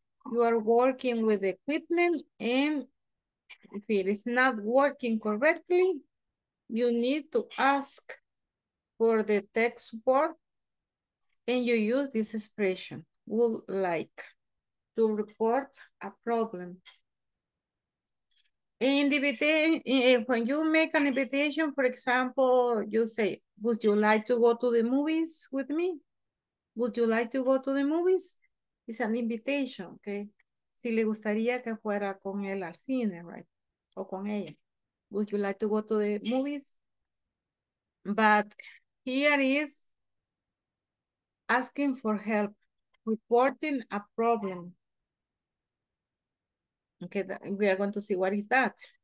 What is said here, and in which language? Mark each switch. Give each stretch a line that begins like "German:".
English: You are working with the equipment, and if it is not working correctly, you need to ask for the tech support, and you use this expression, would like, to report a problem. When you make an invitation, for example, you say, would you like to go to the movies with me? Would you like to go to the movies?
Spanish: Es una invitación, ¿ok? Si le gustaría que fuera con él al cine, right? O con ella.
English: Would you like to go to the movies? But here is asking for help, reporting a problem. Okay, we are going to see what is that.